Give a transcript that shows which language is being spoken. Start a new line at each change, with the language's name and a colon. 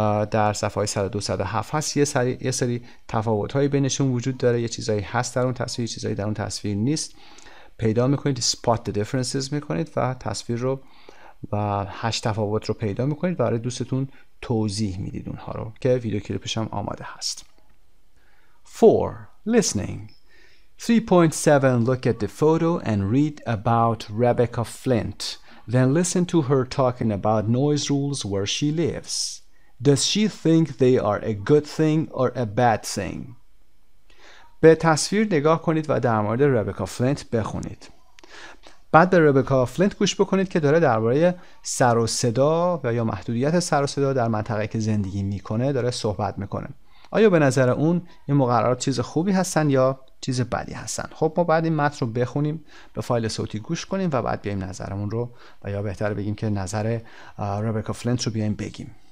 Persian: در صفحه 102-107 هست یه سری تفاوت های بینشون وجود داره یه چیزایی هست در اون تصویر یه چیزایی در اون تصویر نیست پیدا میکنید
English: spot the differences
Persian: میکنید و تصویر رو و 8 تفاوت رو پیدا میکنید برای دوستتون توضیح میدید اونها رو که ویدیو کلیپش هم آماده هست 4.
English: Listening 3.7. Look at the photo and read about Rebecca Flint. Then listen to her talking about noise rules where she lives. Does she think they are a good thing or a bad thing?
Persian: به تصویر نگاه کنید و در مورد ربکا فلینت بخونید. بعد به ربکا فلینت گوش بکنید که داره درباره سر و صدا و یا محدودیت سر و صدا در منطقه که زندگی میکنه داره صحبت میکنه. آیا به نظر اون این مقررات چیز خوبی هستن یا چیز بدی هستن؟ خب ما بعد این متن رو بخونیم به فایل صوتی گوش کنیم و بعد بیایم نظرمون رو و یا بهتر بگیم که نظر ربکا فلینت رو بیایم بگیم